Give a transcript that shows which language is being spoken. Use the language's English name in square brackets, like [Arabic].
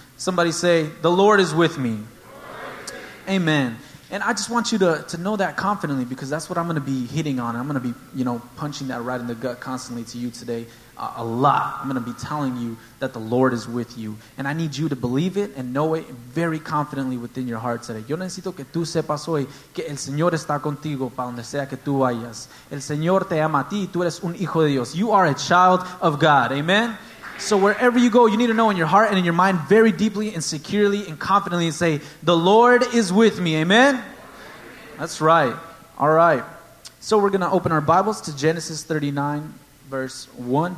[English] Somebody say, the Lord is with me. Amen. And I just want you to know that confidently, because that's what I'm going to be hitting on. I'm going to be, you know, punching that right in the gut constantly to you today a lot. I'm going to be telling you that the Lord is with you. And I need you to believe it and know it very confidently within your heart today. [Spanish] Yo necesito que tú sepas hoy que el Señor está contigo para donde sea que tú vayas. El Señor te ama a ti. Tú eres un hijo de Dios. [English] You are a child of God. [Spanish] Amen. [English] So wherever you go, you need to know in your heart and in your mind very deeply and securely and confidently and say, the Lord is with me. Amen? That's right. All right. So we're going to open our Bibles to Genesis 39, verse 1.